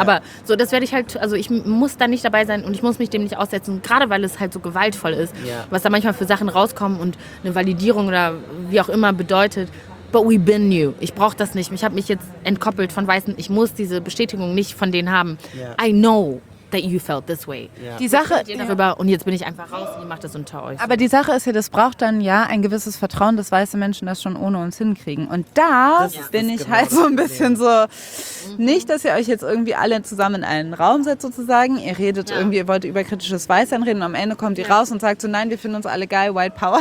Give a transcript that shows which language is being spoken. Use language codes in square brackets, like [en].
[de] Aber so, das werde ich halt, also ich muss da nicht dabei sein und ich muss mich dem nicht aussetzen, gerade weil es halt so gewaltvoll ist, yeah, was da manchmal für Sachen rauskommen und eine Validierung oder wie auch immer bedeutet. [en] But we've been new. [de] Ich brauche das nicht. Ich habe mich jetzt entkoppelt von Weißen. Ich muss diese Bestätigung nicht von denen haben. [en] Yeah. I know that you felt this way. [de] Yeah. Die Sache, ich rede darüber, ja, und jetzt bin ich einfach raus und ihr macht das unter euch. Aber die Sache ist ja, das braucht dann ja ein gewisses Vertrauen, dass weiße Menschen das schon ohne uns hinkriegen. Und da bin ich halt so ein bisschen so, nicht, dass ihr euch jetzt irgendwie alle zusammen in einen Raum setzt sozusagen. Ihr redet irgendwie, ihr wollt über kritisches Weißsein reden und am Ende kommt ihr raus und sagt so, nein, wir finden uns alle geil, [en] White Power.